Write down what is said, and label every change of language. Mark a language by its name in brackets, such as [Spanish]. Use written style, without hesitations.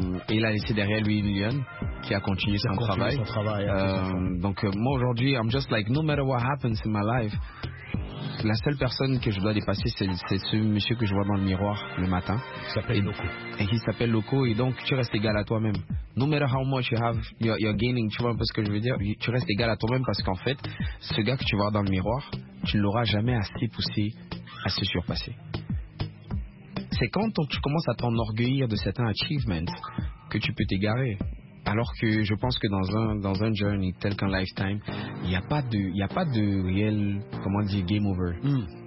[French] Et il a laissé derrière lui Lyon, qui a continué son travail. Donc moi, aujourd'hui, [English] I'm just like, no matter what happens in my life, [French] la seule personne que je dois dépasser, c'est ce monsieur que je vois dans le miroir le matin. Il s'appelle Loco. Et il s'appelle Loco. Et donc, tu restes égal à toi-même. [English] No matter how much you have, you're gaining. [French] Tu vois un peu ce que je veux dire? Tu restes égal à toi-même parce qu'en fait, ce gars que tu vois dans le miroir, tu ne l'auras jamais assez poussé à se surpasser. c'est quand tu commences à t'enorgueillir de certains achievements que tu peux t'égarer. Alors que je pense que dans un journey tel qu'un lifetime, il y a pas de réel, comment dire, game over. Mm.